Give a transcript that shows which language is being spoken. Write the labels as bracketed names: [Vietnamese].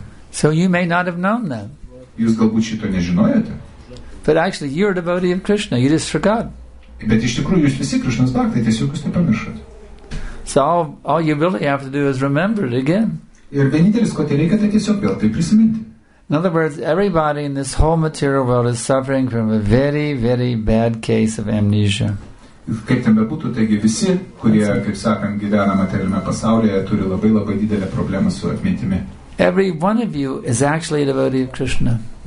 [English] So you may not have known that. But actually you're a devotee of Krishna, you just forgot. [Lithuanian] But iš tikrųjų jūs visi Krishnas bhaktai, tiesiog jūs nepamiršote. [English] So all you really have to do is remember it again. In other words, everybody in this whole material world is suffering from a very, very bad case of amnesia. Every one of you is actually a devotee of Krishna.